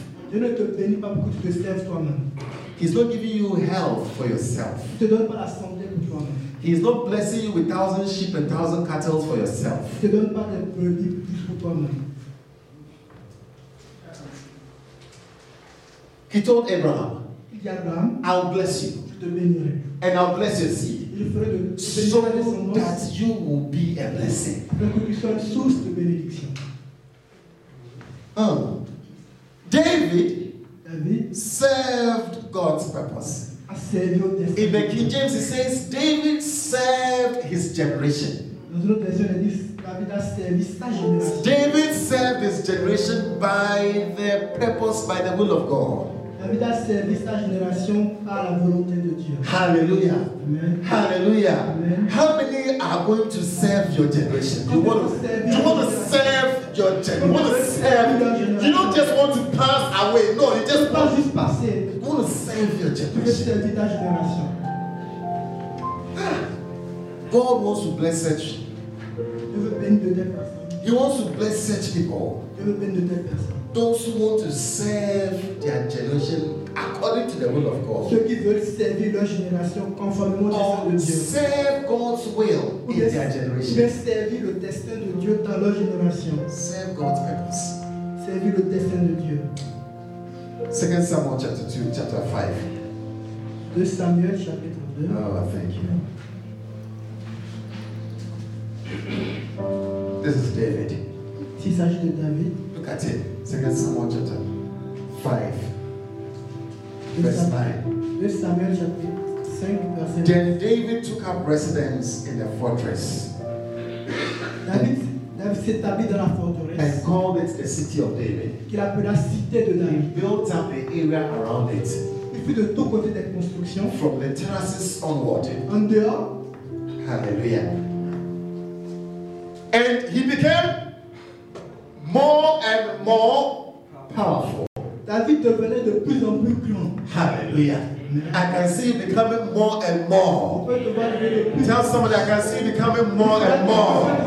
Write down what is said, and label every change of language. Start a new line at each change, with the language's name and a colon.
French: Dieu ne te bénit pas pour que tu te serves toi-même.
English: He's not giving you health for yourself.
French: Il te donne pas la santé pour toi-même.
English: He's not blessing you with 1,000 sheep and 1,000 cattle for yourself.
French: Il te donne pas des brebis plus pour toi-même.
English: He told Abraham,
French: il dit Abraham,
English: I'll bless you.
French: Je te bénirai.
English: And I'll bless your seed.
French: Il ferait de bénir
English: so that you will be a blessing.
French: Pour que tu sois une source de bénédiction.
English: David served God's purpose. In the King James, it says David served his generation. David served his generation by the purpose, by the will of God.
French: David a servi sa génération par la volonté de Dieu.
English: Hallelujah. Amen. Hallelujah. Amen. How many are going to serve your generation? You want to serve your generation. You don't just want to pass away. No, you just pass this passé. You want to serve your generation.
French: Tu veux servir ta génération.
English: God wants to bless such.
French: Dieu veut bénir de telles personnes.
English: He wants to bless such people.
French: Dieu veut bénir de telles personnes.
English: Those who want to serve their generation according to the will of God.
French: Ceux qui veulent servir leur génération conformément au de Dieu.
English: Serve God's will in their generation.
French: Veulent servir le destin de Dieu dans leur génération.
English: Serve God's purpose.
French: Servir le destin de Dieu.
English: 2 Samuel chapter 2, chapter 5. 2 Samuel chapter 2. Oh, thank you. This is David.
French: S'il s'agit de David.
English: Look at him. 2 Samuel chapter 5, verse 9. 2 Samuel chapter 5, verse 9. Then David took up residence in the fortress.
French: David s'établit dans la forteresse.
English: And called it the city of David.
French: Qu'il appela cité de David.
English: He built up the area around it.
French: Il fut de tous côtés des constructions.
English: From the terraces onward.
French: En dehors.
English: Hallelujah. And he became more and more powerful.
French: David devenait de plus en plus grand.
English: Hallelujah. I can see you becoming more and more. Tell somebody, I can see you becoming more and more.